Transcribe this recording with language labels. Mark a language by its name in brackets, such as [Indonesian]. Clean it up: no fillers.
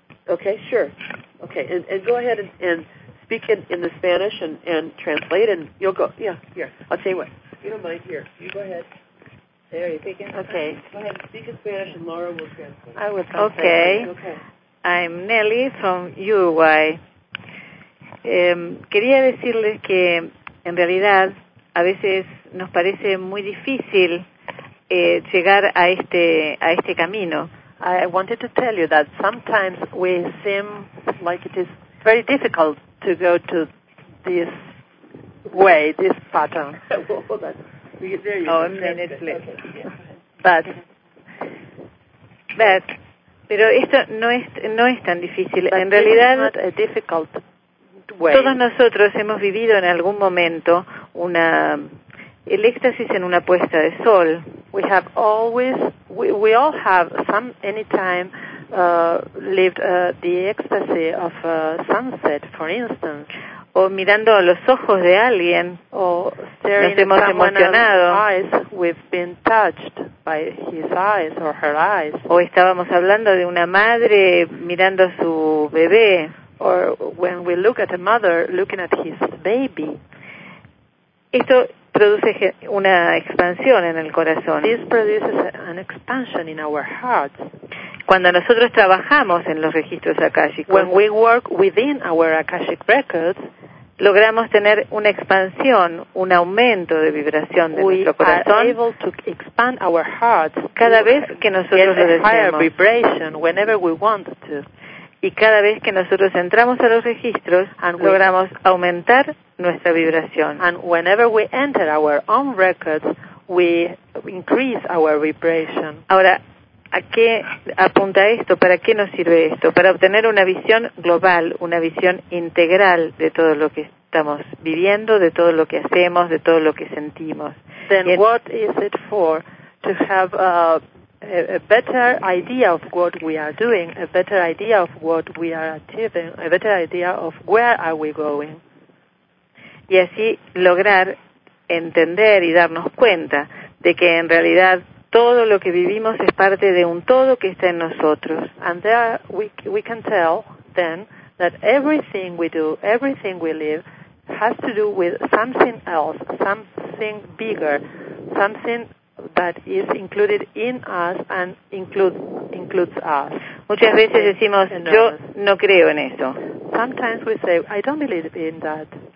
[English] Okay, sure. Okay, and go ahead and speak in the Spanish and translate, and you'll go. Yeah, here. I'll tell you what. You don't mind. Here. You go ahead. There, you speak in Spanish. Okay. Go ahead and speak in Spanish, and Laura will translate. I will translate. Okay. Okay. I'm Nelly from Uruguay. [Spanish] Quería decirles que, en realidad, a veces nos parece muy difícil llegar a este camino. [English] I wanted to tell you that sometimes we seem like it is very difficult to go to this way, this pattern. Well, hold on. There you go. Oh, a minute left. Okay. Yeah. [Spanish] Pero esto no es tan difícil. En realidad, [English] not a difficult way. [Spanish] Todos nosotros hemos vivido en algún momento una... el éxtasis en una puesta de sol. [English] We all have any time lived the ecstasy of sunset, for instance. [Spanish] O mirando a los ojos de alguien, nos hemos emocionado. [English] Eyes, we've been touched by his eyes or her eyes. [Spanish] O estábamos hablando de una madre mirando a su bebé. [English] Or when we look at a mother looking at his baby. [Spanish] Esto produce una expansión en el corazón. [English] This produces an expansion in our hearts. [Spanish] Cuando nosotros trabajamos en los registros akáshicos, [English] when we work within our akashic records, [Spanish] logramos tener una expansión, un aumento de vibración de nuestro corazón. [English] We are able to expand our hearts [Spanish] cada vez que nosotros lo deseamos. [English] Higher vibration whenever we want to. [Spanish] Y cada vez que nosotros entramos a los registros, logramos aumentar nuestra vibración. [English] And whenever we enter our own records, we increase our vibration. [Spanish] Ahora, ¿a qué apunta esto? ¿Para qué nos sirve esto? Para obtener una visión global, una visión integral de todo lo que estamos viviendo, de todo lo que hacemos, de todo lo que sentimos. [English] Then what is it for? To have a better idea of what we are doing, a better idea of what we are achieving, a better idea of where are we going. [Spanish] Y así lograr entender y darnos cuenta de que en realidad todo lo que vivimos es parte de un todo que está en nosotros. [English] And there we can tell then that everything we do, everything we live has to do with something else, something bigger, something that is included in us and includes us. [Spanish] Muchas veces decimos, yo no creo en eso. [English] Sometimes we say, I don't believe in that.